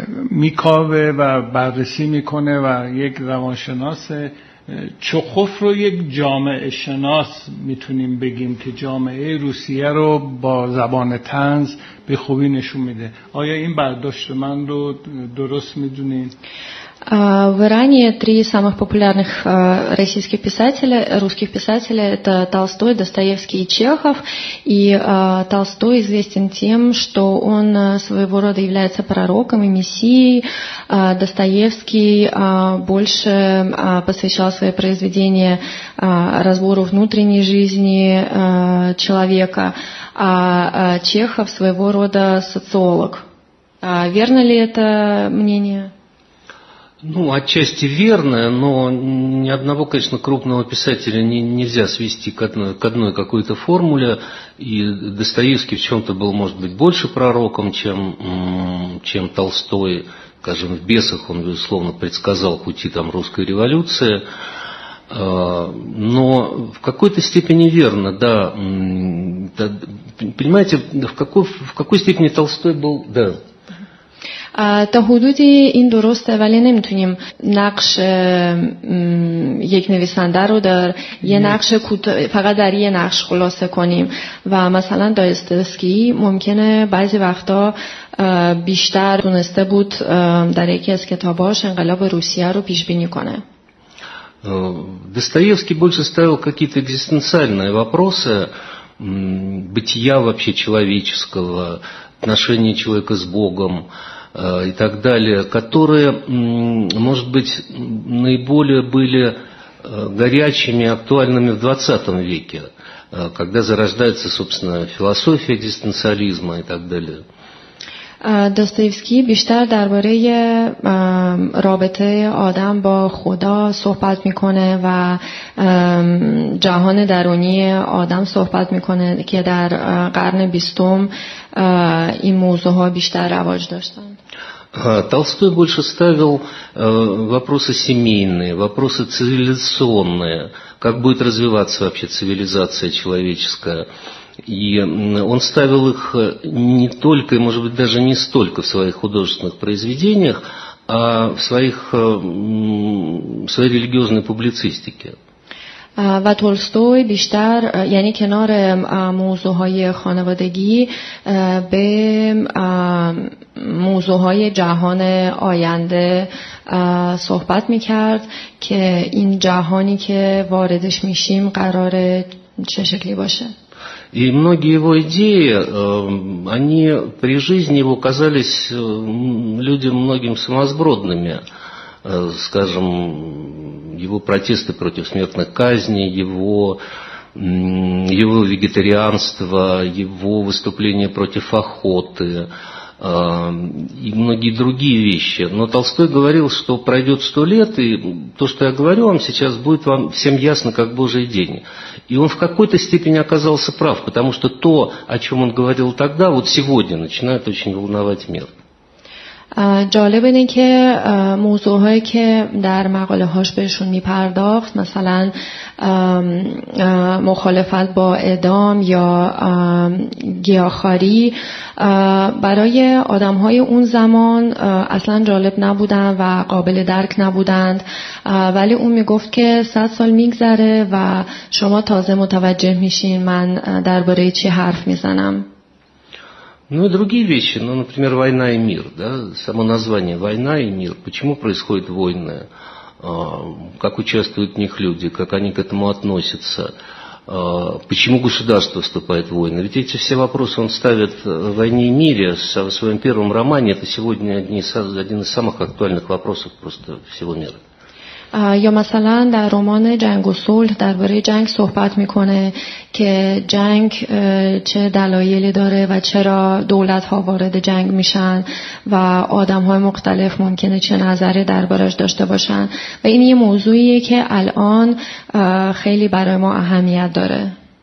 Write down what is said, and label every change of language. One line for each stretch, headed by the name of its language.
Persian: میکاوه و بررسی میکنه و یک روانشناسه چخوف رو یک جامعه شناس میتونیم بگیم که جامعه روسیه رو با زبان طنز به خوبی نشون میده آیا این برداشت من رو درست میدونین؟
Russian: Вы ранее три самых популярных российских писателя, русских писателя, это Толстой, Достоевский и Чехов. И Толстой известен тем, что он своего рода является пророком и мессией. Достоевский больше посвящал свои произведения разбору внутренней жизни человека, а Чехов своего рода социолог. Верно ли это мнение? Ну, отчасти верное, но ни одного, конечно, крупного писателя нельзя свести к одной какой-то формуле. И Достоевский в чем-то был, может быть, больше пророком, чем Толстой. Скажем, в «Бесах» он, безусловно, предсказал пути там русской революции. Но в какой-то степени верно, да. Понимаете, в какой степени Толстой был... Да.
Persian: تا حدودی این درسته ولی نمیتونیم نقش یک نویسنده رو در یه نقش فقط در یه نقش خلاصه کنیم و مثلا دایستویسکی ممکنه بعضی وقتا بیشتر دونسته بود در یکی از کتاباش انقلاب روسیه رو پیش بینی کنه دایستویسکی بیشتر ستایل
Russian: какие-то экзистенциальные вопросы бытия вообще человеческого отношения человека с богом и так далее, которые, может быть, наиболее были горячими, актуальными в 20 веке, когда зарождается, собственно, философия экзистенциализма и так далее.
Persian: Достоевский بیشتر درباره رابطه آدم با خدا صحبت میکنه و جهان درونی آدم صحبت میکنه که در قرن 20 این موضوع ها بیشتر رواج داشتن.
Russian: Толстой больше ставил вопросы семейные, вопросы цивилизационные, как будет развиваться вообще цивилизация человеческая. И он ставил их не только, и, может быть, даже не столько в своих художественных произведениях, а в своих, в своей религиозной публицистике.
Persian: و تولستوی بیشتر یعنی کنار موضوع‌های خانوادگی به موضوع‌های جهان آینده صحبت می‌کرد که این جهانی که واردش می‌شیم قراره چه شکلی باشه.
Russian: И многие его идеи, они при жизни его казались людям многим сумасбродными. Скажем, его протесты против смертной казни, его вегетарианство, его выступления против охоты и многие другие вещи. Но Толстой говорил, что пройдет 100 лет, и то, что я говорю вам сейчас, будет вам всем ясно, как Божий день. И он в какой-то степени оказался прав, потому что то, о чем он говорил тогда, вот сегодня, начинает очень волновать мир.
Persian: جالب اینه که موضوعهایی که در مقاله هاش بهشون میپرداخت، مثلا مخالفت با اعدام یا گیاهخواری، برای آدمهای اون زمان اصلا جالب نبودن و قابل درک نبودند، ولی اون میگفت که 100 سال میگذره و شما تازه متوجه میشین من درباره چی حرف میزنم.
Russian: Ну и другие вещи, ну, например, «Война и мир», да, само название «Война и мир», почему происходят войны, как участвуют в них люди, как они к этому относятся, почему государство вступает в войны. Ведь эти все вопросы он ставит в «Войне и мире» в своем первом романе, это сегодня один из самых актуальных вопросов просто всего мира.
Persian: یا مثلا در رمان جنگ و صلح درباره جنگ صحبت میکنه که جنگ چه دلایلی داره و چرا دولت ها وارد جنگ میشن و آدم های مختلف ممکنه چه نظری دربارش داشته باشن و این یه موضوعیه که الان خیلی برای ما اهمیت داره.